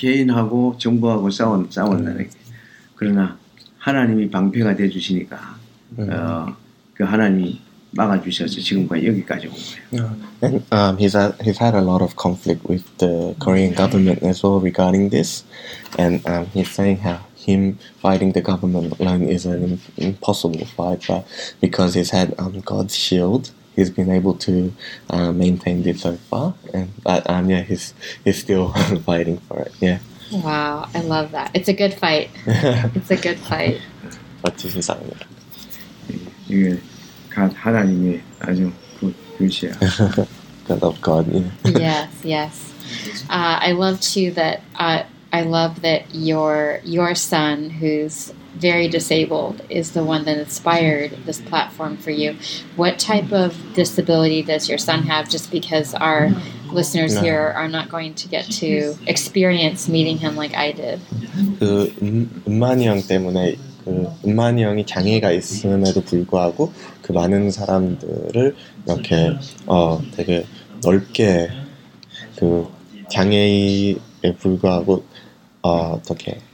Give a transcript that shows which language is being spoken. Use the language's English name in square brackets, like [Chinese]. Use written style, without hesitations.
[Korean] 개인하고 정부하고 싸웠나요. 그러나 하나님이 방패가 되어주시니까 그 하나님이 막아주셔서 지금까지 여기까지 온 거예요. [English] And, he's had a lot of conflict with the Korean government as well regarding this. And he's saying how him fighting the government alone is an impossible fight, but because he's had God's shield, he's been able to maintain this so far. And but yeah, he's still fighting for it. Yeah. Wow, I love that. It's a good fight. It's a good fight. [Korean] 멋지십니다. 이게 하나님의 아주 굿이야. [English] God of God. Yeah. Yes. Yes. I love too that. I love that your son, who's very disabled, is the one that inspired this platform for you. What type of disability does your son have? Just because our listeners here are not going to get to experience meeting him like I did. [Korean] 그 은만이 형 때문에 그 은만이 형이 장애가 있음에도 불구하고 그 많은 사람들을 이렇게 되게 넓게 그 장애에 불구하고 어떻게